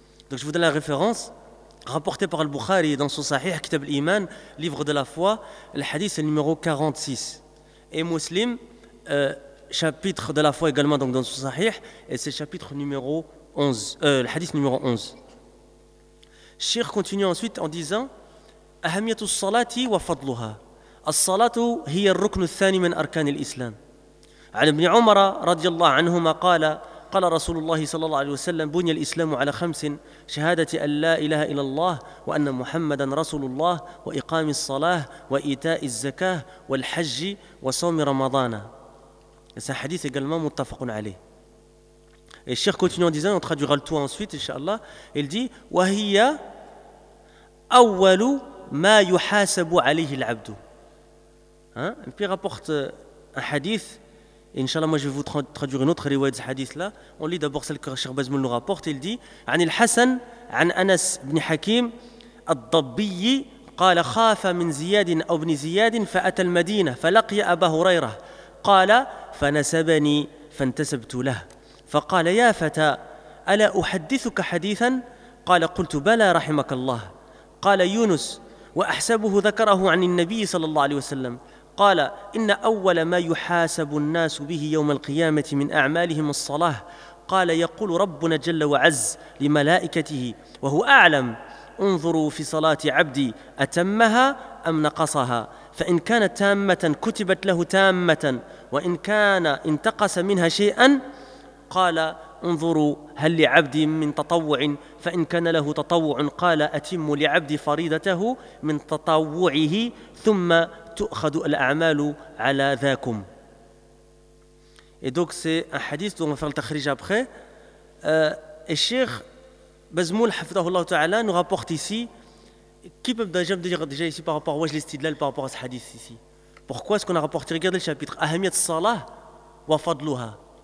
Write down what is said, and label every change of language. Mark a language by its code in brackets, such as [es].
[fr] Donc, je vous donne la référence rapportée par al-Bukhari dans son Sahih, Kitab al-Iman, livre de la foi. Le hadith est le numéro 46. Et Muslim, chapitre de la foi également donc, dans son Sahih, et c'est chapitre numéro 11, le hadith numéro 11. Shir continue ensuite en disant [ar] أهمية الصلاة وفضلها الصلاة هي الركن الثاني من أركان الإسلام عن ابن عمر رضي الله عنهما قال قال رسول الله صلى الله عليه وسلم بني الإسلام على خمس شهادة أن لا إله إلا الله وأن محمدا رسول الله وإقام الصلاة وإيتاء الزكاة والحج وصوم رمضان. [fr] C'est un hadith également متفق عليه. Et Cheikh continue en disant, on traduira le tout ensuite, Inch'Allah. Il dit, [ar] وَهِيَ أَوَّلُ مَا يُحَاسَبُ عَلَيْهِ الْعَبْدُ. [fr] Et puis il rapporte un hadith, et Inch'Allah, moi je vais vous traduire une autre riwayat de hadith là. On lit d'abord celle que Cheikh Bazmoul nous rapporte. Il dit, [ar] عَنِ الْحَسَنِ عَنْ أَنَسْ بْنِ حَكِيمِ الضَّبِّيِّ قَالَ خَافَ مِنْ زِيَادٍ أَوْ بْنِ زِيَادٍ فَأَتَى الْمَدِينَةَ فَلَقِيَ أَبَا هُرَيْرَةَ قَالَ فَنَسَبَنِي فَانْتَسَبْتُ لَهُ فقال يا فتى ألا أحدثك حديثا قال قلت بلى رحمك الله قال يونس وأحسبه ذكره عن النبي صلى الله عليه وسلم قال إن أول ما يحاسب الناس به يوم القيامة من أعمالهم الصلاة قال يقول ربنا جل وعز لملائكته وهو أعلم انظروا في صلاة عبدي أتمها أم نقصها فإن كانت تامة كتبت له تامة وإن كان انتقص منها شيئا قال انظروا هل لعبدي من تطوع فإن كان له تطوع قال أتم لعبدي فريضته من تطوعه ثم تؤخذ الأعمال على ذاكم. [fr] Et donc c'est un hadith dont on va faire le takhrij après. Et Cheikh Bazmoul hafidhahullah ta'ala nous rapporte ici, qui peut déjà me dire déjà ici par rapport à l'istidlal par rapport à ce hadith ici, pourquoi est-ce qu'on a rapporté, regardez le chapitre, [ar] ahamiyat salah wa fadluha.